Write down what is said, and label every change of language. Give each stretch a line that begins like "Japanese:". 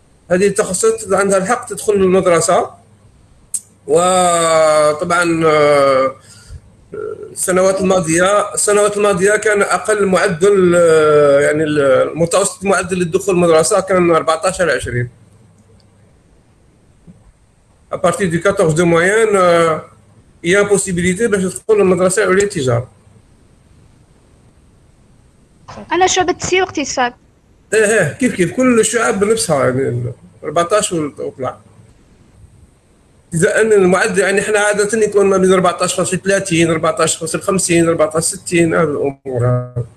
Arabic: هذه التخصصات عندها الحق تدخل المدرسة. وطبعا السنوات الماضية كان أقل معدل، يعني المتوسط معدل للدخول المدرسة كان 14 20.
French: A partir du 14 de moyenne, il y a possibilité
Arabic: باش تدخل المدرسة العليا للتجارة. أنا شعبة تسيير اقتصاد. إيه كيف كيف كل الشعب بنفسها، يعني 14 وطلع. إذا أن المعدل، يعني إحنا عادة يكون ما بين 14.30، 14.50، 14.60، هذه الأمور.